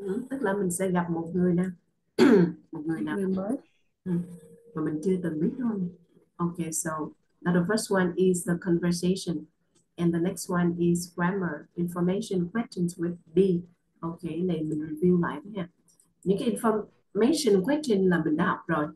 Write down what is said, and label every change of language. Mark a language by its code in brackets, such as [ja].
[vi] Tức là mình sẽ gặp một người nè một người nào Người mới. mà mình chưa từng biết luôn. [en] Okay, so now the first one is the conversation and the next one is grammar information questions with B. [vi] Okay, này mình review lại với nha. Những cái information question là mình đã học rồi.